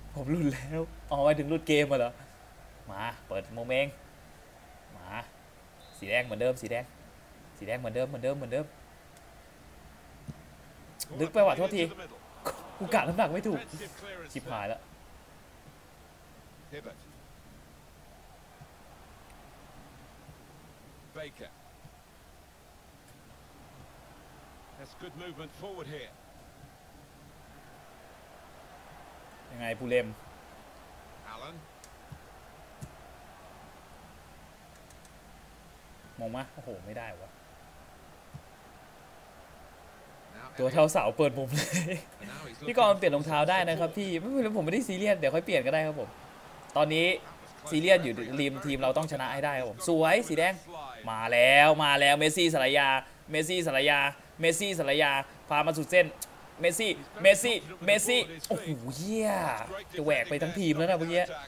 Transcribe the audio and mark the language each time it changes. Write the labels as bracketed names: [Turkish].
[Thai] หลุดแล้วเอาไว้ถึงหลุดเกมมาเหรอมาเปิดโมเมงมาสีแดงเหมือนเดิมสีแดงเหมือนเดิมเหมือนเดิมลึกไปว่ะโทษทีกูกะน้ำหนักไม่ถูกชิบหายแล้วBaker. [English] That's good movement forward here. [Thai] ยังไงปูเลม [English] Alan. [Thai] มองมาโอ้โหไม่ได้วะตัวเท่าเสาเปิดมุมเลยพี่กรณ์เปลี่ยนรองเท้าได้นะครับพี่ไม่เป็นไรผมไม่ได้ซีเรียสเดี๋ยวค่อยเปลี่ยนก็ได้ครับผมตอนนี้ซีเรียสอยู่ริมทีมเราต้องชนะให้ได้ครับผมสวยสีแดงมาแล้วมาแล้วเมสซี่สลายาเมสซี่สลายาเมสซี่สลายาพามาสุดเส้นเมสซี่เมสซี่เมสซี่โอ้โหเหี้ยจะแหวกไปทั้งทีมแล้วนะเมื่อกี้